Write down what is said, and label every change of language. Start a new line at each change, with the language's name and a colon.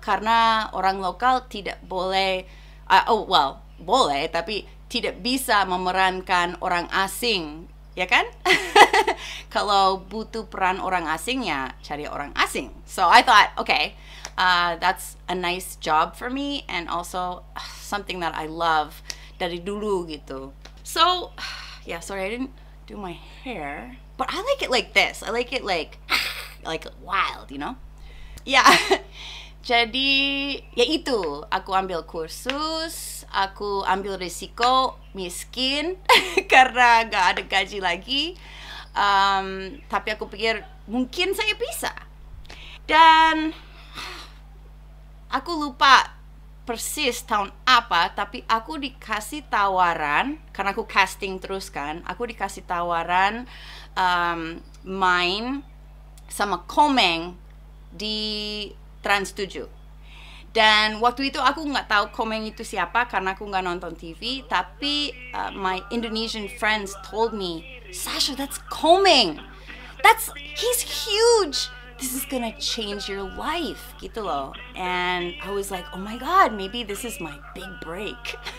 Indonesian: Karena orang lokal tidak boleh, boleh, tapi tidak bisa memerankan orang asing. Ya kan? Kalau butuh peran orang asing, ya cari orang asing.
English: So I thought, okay, that's a nice job for me and also something that I love dari dulu gitu. So, yeah, sorry, I didn't do my hair. But I like it like this. I like it like wild, you know?
Indonesian: Yeah, jadi ya itu. Aku ambil kursus. Aku ambil risiko miskin karena gak ada gaji lagi. Tapi aku pikir mungkin saya bisa. Dan aku lupa persis tahun apa, tapi aku dikasih tawaran, karena aku casting terus kan, aku dikasih tawaran main sama Komeng di Trans 7. Dan waktu itu aku nggak tahu Komeng itu siapa karena aku nggak nonton TV.
English: Tapi my Indonesian friends told me, Sasha, that's Komeng. He's huge. This is gonna change your life, gitu loh. And I was like, oh my god, maybe this is my big break.